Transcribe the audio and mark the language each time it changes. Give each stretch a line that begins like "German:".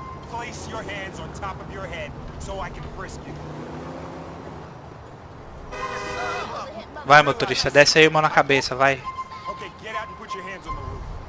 English: Place your hands on top of your head so I can frisk you.
Portuguese: Vai, motorista, desce aí uma na cabeça, vai.
English: Okay, get out and put your hands on the roof.